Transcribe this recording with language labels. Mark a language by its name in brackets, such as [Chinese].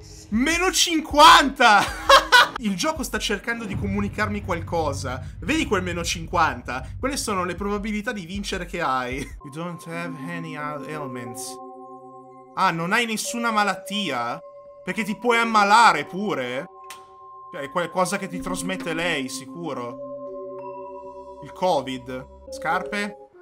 [Italian] Meno 50! Il gioco sta cercando di comunicarmi qualcosa. Vedi quel meno 50? Quelle sono le probabilità di vincere che hai. [English] You don't have any ailments. [Italian] Ah, non hai nessuna malattia? Perché ti puoi ammalare pure? Cioè, è qualcosa che ti trasmette lei, sicuro. Il COVID. Scarpe.